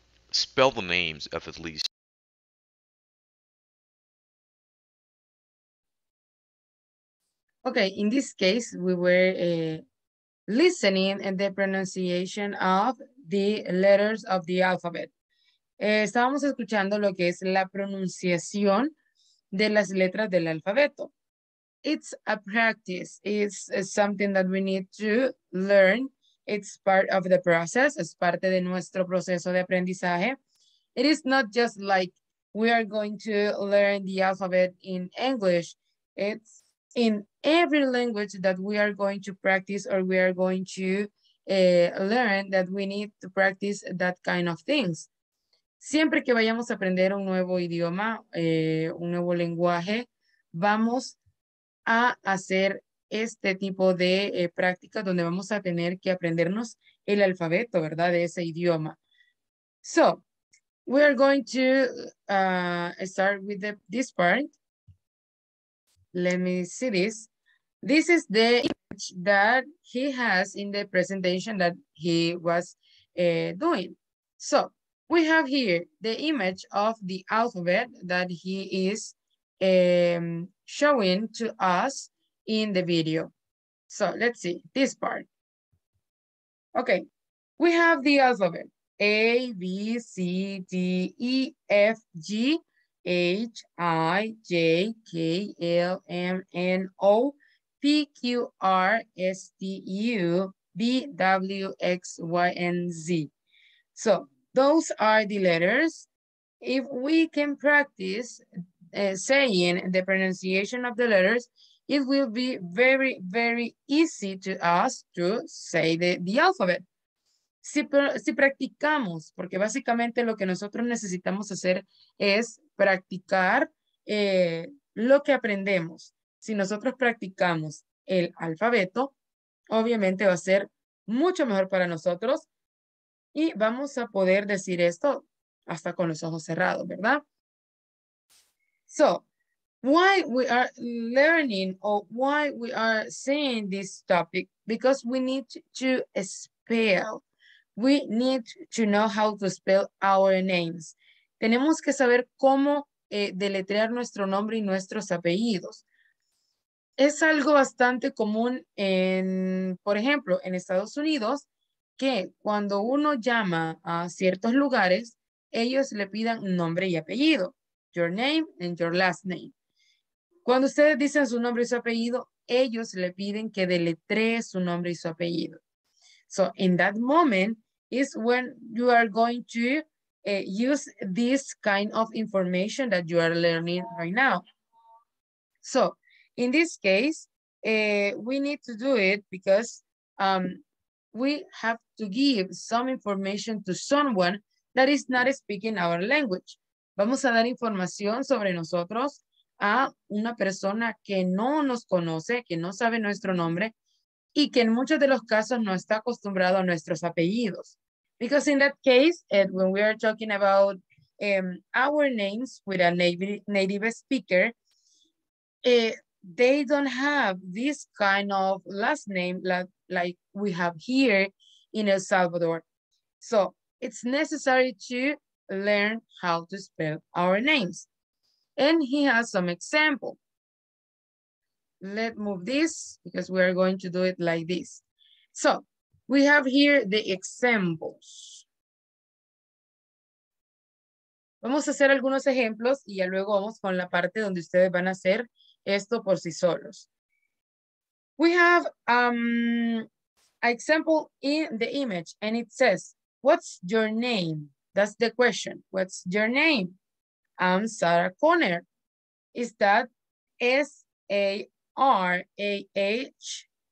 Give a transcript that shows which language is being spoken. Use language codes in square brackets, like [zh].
[en] Spell the names of at least. Okay, in this case, we were listening and the pronunciation of the letters of the alphabet. [es] Estábamos escuchando lo que es la pronunciación de las letras del alfabeto. [en] It's a practice. It's something that we need to learn. It's part of the process. [es] Es parte de nuestro proceso de aprendizaje. [en] It is not just like we are going to learn the alphabet in English. It's in every language that we are going to practice or we are going to learn that we need to practice that kind of things. [es] Siempre que vayamos a aprender un nuevo idioma, un nuevo lenguaje, vamos a hacer este tipo de práctica donde vamos a tener que aprendernos el alfabeto, ¿verdad? De ese idioma. [en] So, we are going to start with this part. Let me see this. This is the image that he has in the presentation that he was doing. So we have here the image of the alphabet that he is showing to us in the video. So let's see this part. Okay, We have the alphabet. A, B, C, D, E, F, G, H, I, J, K, L, M, N, O, P, Q, R, S, T, U, B, W, X, Y, and Z. So those are the letters. If we can practice saying the pronunciation of the letters, it will be very, very easy to us to say the alphabet. [es] Si practicamos, porque básicamente lo que nosotros necesitamos hacer es practicar lo que aprendemos. Si nosotros practicamos el alfabeto, obviamente va a ser mucho mejor para nosotros y vamos a poder decir esto hasta con los ojos cerrados, ¿verdad? [en] So, why we are learning or why we are saying this topic? Because we need to spell. We need to know how to spell our names. [es] Tenemos que saber cómo deletrear nuestro nombre y nuestros apellidos. Es algo bastante común en, por ejemplo, en Estados Unidos, que cuando uno llama a ciertos lugares, ellos le pidan nombre y apellido. [en] Your name and your last name. [es] Cuando ustedes dicen su nombre y su apellido, ellos le piden que deletree su nombre y su apellido. [en] So, in that moment, is when you are going to use this kind of information that you are learning right now. So, in this case, we need to do it because we have to give some information to someone that is not speaking our language. [es] Vamos a dar información sobre nosotros a una persona que no nos conoce, que no sabe nuestro nombre, y que en muchos de los casos no está acostumbrado a nuestros apellidos. [en] Because in that case, when we are talking about our names with a native speaker, they don't have this kind of last name like we have here in El Salvador. So it's necessary to learn how to spell our names. And he has some example. Let's move this because we are going to do it like this. So we have here the examples. [es] Vamos a hacer algunos ejemplos y ya luego vamos con la parte donde ustedes van a hacer esto por sí solos. [en] We have an example in the image and it says, what's your name? That's the question. What's your name? I'm Sarah Connor. Is that S-A-R-A-H?